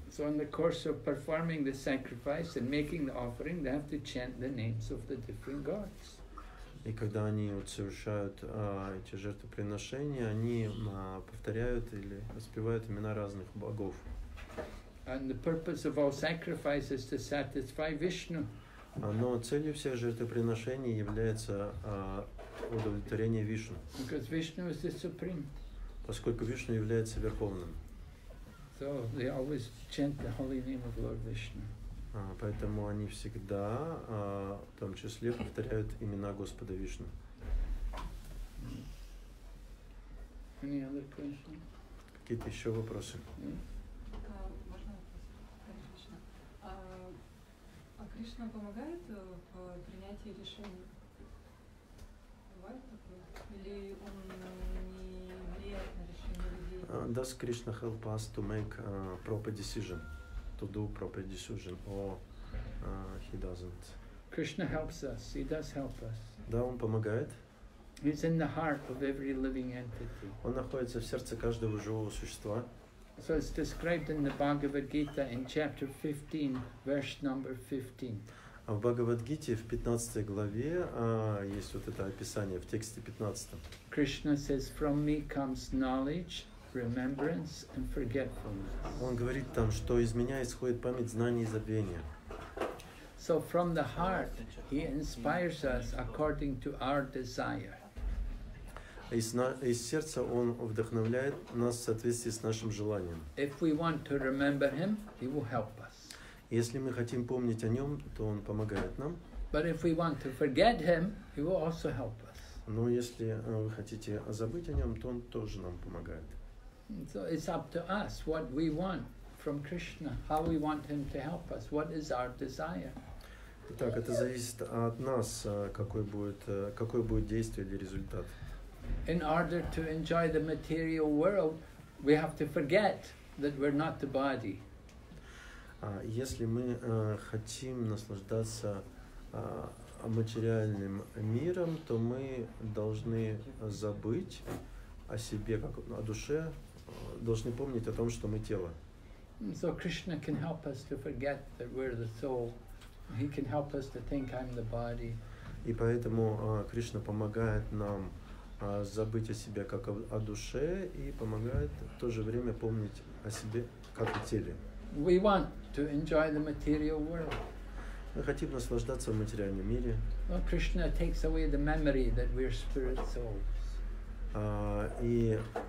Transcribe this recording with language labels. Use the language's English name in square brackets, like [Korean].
[English] So in the course of performing the sacrifice and making the offering, they have to chant the names of the different gods. [Russian] И когда они вот совершают эти жертвоприношения, они повторяют или воспевают имена разных богов. [English] And the purpose of all sacrifice is to satisfy Vishnu. [Russian] Но целью всех жертвоприношений является удовлетворение Вишну. [English] Because Vishnu is the supreme. [Russian] Поскольку Вишну является верховным. [English] So they always chant the holy name of Lord Vishnu. [Russian] Поэтому они всегда, в том числе, повторяют имена Господа Вишну. Какие-то еще вопросы? Можно вопрос? Кришна. А Кришна помогает в принятии решений? Бывает такое? Или он не влияет на решение людей? [English] Does Krishna help us to make a proper decision? To do proper decision, or he doesn't. Krishna helps us. He does help us. [Russian] Да, он помогает. [English] He's in the heart of every living entity. [Russian] Он находится в сердце каждого живого существа. [English] So it's described in the Bhagavad Gita in chapter 15, verse number 15. [Russian] А в Бхагавад Гите в 15 главе есть вот это описание в тексте 15. [English] Krishna says, "From me comes knowledge." Remembrance and forgetfulness. [Russian] Он говорит там, что из меня исходит память, знание и забвение. [English] So from the heart, he inspires us according to our desire. [Russian] Из сердца он вдохновляет нас в соответствии с нашим желанием. [English] If we want to remember him, he will help us. [Russian] Если мы хотим помнить о нем, то он помогает нам. [English] But if we want to forget him, he will also help us. [Russian] Но если вы хотите забыть о нем, то он тоже нам помогает. [English] So it's up to us what we want from Krishna, how we want him to help us, what is our desire. [Russian] Итак, это зависит от нас, какое будет действие или результат. [English] In order to enjoy the material world, we have to forget that we're not the body. [Russian] Если мы хотим наслаждаться материальным миром, то мы должны забыть о себе, как о душе. Должны помнить о том, что мы тело. [English] So Krishna can help us to forget that we're the soul. He can help us to think I'm the body. [Russian] И поэтому Кришна помогает нам забыть о себе как о душе и помогает в то же время помнить о себе как о теле. [English] We want to enjoy the material world. [Russian] Мы хотим наслаждаться в материальном мире. [English] So Krishna takes away the memory that we're spirit souls.